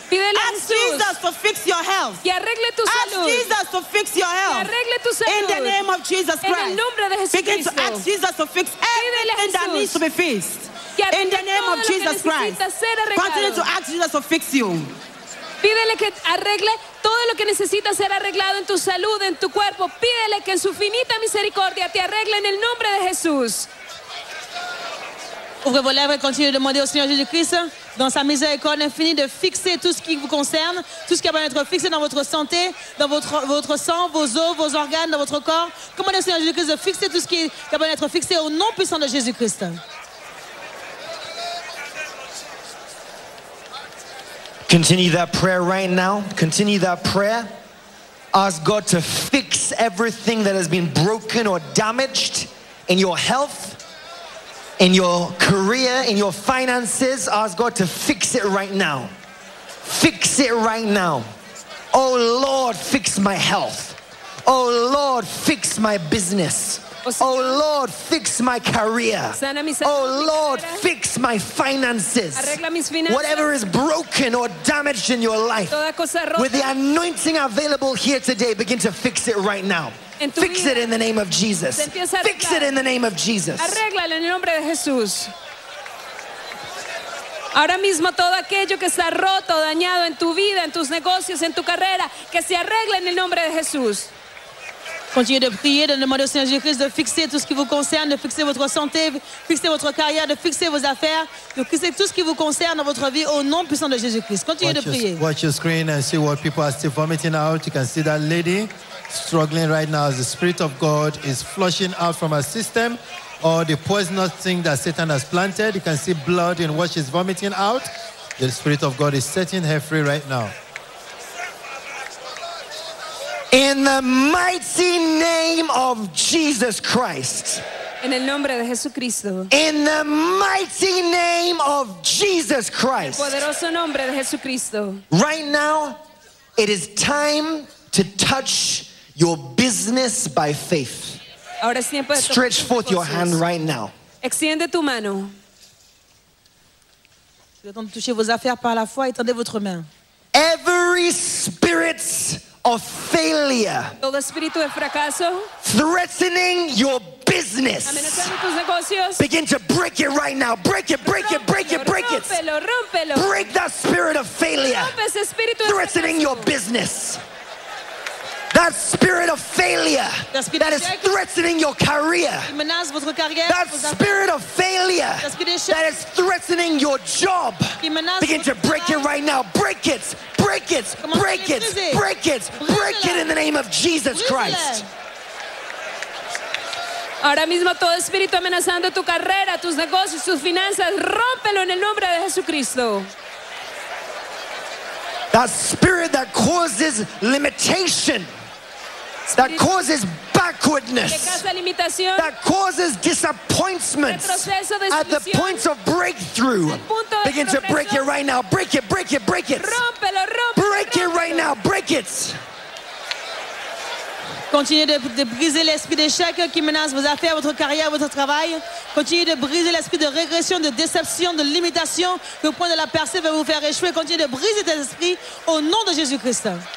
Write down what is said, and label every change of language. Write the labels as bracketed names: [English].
[English] Ask Jesus to fix your health. Ask Jesus to fix your health. In the name of Jesus Christ. Begin to ask Jesus to fix everything that needs to be fixed. In the name of Jesus Christ. Continue to ask Jesus to fix you. [Spanish] Pídele que arregle todo lo que necesita ser arreglado en tu salud, en tu cuerpo. Pídele que en su finita misericordia te arregle en el nombre de Jesús. [French] Ouvrez vos lèvres et continuez de demander au Seigneur Jésus-Christ, dans sa miséricorde infinie, de fixer tout ce qui vous concerne, tout ce qui va être fixé dans votre santé, dans votre sang, vos os, vos organes, dans votre corps. Commandez au Seigneur Jésus-Christ de fixer tout ce qui va être fixé au nom puissant de Jésus-Christ. [English] Continue that prayer right now. Continue that prayer. Ask God to fix everything that has been broken or damaged in your health, in your career, in your finances. Ask God to fix it right now. Fix it right now. Oh Lord, fix my health. Oh Lord, fix my business. Oh Lord, fix my career. Oh Lord, fix my finances. Whatever is broken or damaged in your life, with the anointing available here today, begin to fix it right now. Fix it in the name of Jesus. Fix it in the name of Jesus. [Spanish] Arréglalo en el nombre de Jesús. Ahora mismo todo aquello que está roto, dañado en tu vida, en tus negocios, en tu carrera, que se arregle en el nombre de Jesús. [French] Continuez de prier, de demander au Seigneur Jésus-Christ de fixer tout ce qui vous concerne, de fixer votre santé, de fixer votre carrière, de fixer vos affaires, de fixer tout ce qui vous concerne dans votre vie au nom puissant de Jésus-Christ. Continuez de prier. [English] Watch your screen and see what people are still vomiting out. You can see that lady struggling right now as the Spirit of God is flushing out from her system all the poisonous thing that Satan has planted. You can see blood in what she's vomiting out. The Spirit of God is setting her free right now. In the mighty name of Jesus Christ. [Spanish] En el nombre de Jesucristo. [English] In the mighty name of Jesus Christ. [Spanish] El poderoso nombre de Jesucristo. [English] Right now, it is time to touch your business by faith. [Spanish] Ahora es tiempo de [English] stretch forth your hand right now. [Spanish] Extiende tu mano. [French] Touchez vos affaires par la foi et tendez votre main. [English] Every spirit of failure. [Spanish] Todo espíritu de fracaso. [English] Threatening your business. [Spanish] Amenazando tus negocios. [English] Begin to break it right now. Break it, break it, break it, break it. [Spanish] Rompelo, rompelo. [English] Break that spirit of failure. [Spanish] Rompe ese espíritu de [English] threatening [Spanish] fracaso. [English] Your business. That spirit of failure that is threatening your career. That spirit of failure that is threatening your job. Begin to break it right now. Break it, break it, break it, break it, break it in the name of Jesus Christ. [Spanish] Ahora mismo todo espíritu amenazando tu carrera, tus negocios, tus finanzas, rómpelo en el nombre de Jesucristo. [English] That spirit that causes limitation. That causes backwardness, that causes disappointment at the point of breakthrough. Begin to break it right now. Break it, break it, break it. Break it right now. Break it. [French] Continue de briser l'esprit d'échec qui menace vos affaires, votre carrière, votre travail. Continue de briser l'esprit de régression, de déception, de limitation que le point de la percée va vous faire échouer. Continue de briser cet esprit au nom de Jésus-Christ.